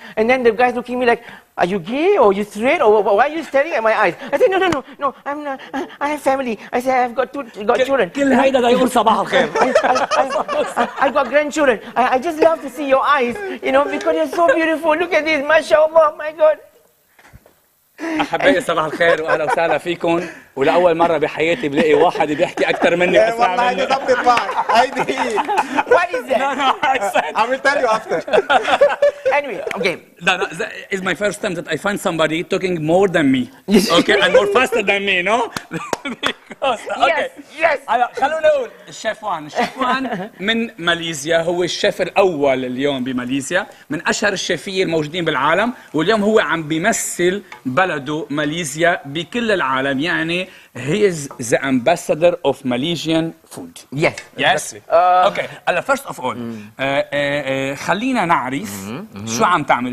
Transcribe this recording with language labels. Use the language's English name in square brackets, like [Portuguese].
[English] And then the guy's looking at me like, are you gay or are you straight or why are you staring at my eyes? I said, no, I'm not. I have family. I said, I've got children. I've got grandchildren. I just love to see your eyes, you know, because you're so beautiful. Look at this, mashallah, my God. [Arabic] احبائي صباح الخير واهلا وسهلا فيكم، ولاول مره بحياتي بلاقي واحد بيحكي اكثر مني واسرع مني. والله هيدي ضبطت معك، هيدي [English] What is that? No, I will tell you after. Anyway, okay. No, it's my first time that I find somebody talking more than me. Okay, and more faster than me, no? Because, okay. Yes. [Arabic] خلونا نقول الشيف وان من ماليزيا، هو الشيف الاول اليوم بماليزيا، من اشهر الشيفيه الموجودين بالعالم، واليوم هو عم بيمثل بلده ماليزيا بكل العالم. [English] يعني he is the ambassador of Malaysian food. Yes. Okay. First of all, [Arabic] خلينا نعرف شو عم تعمل.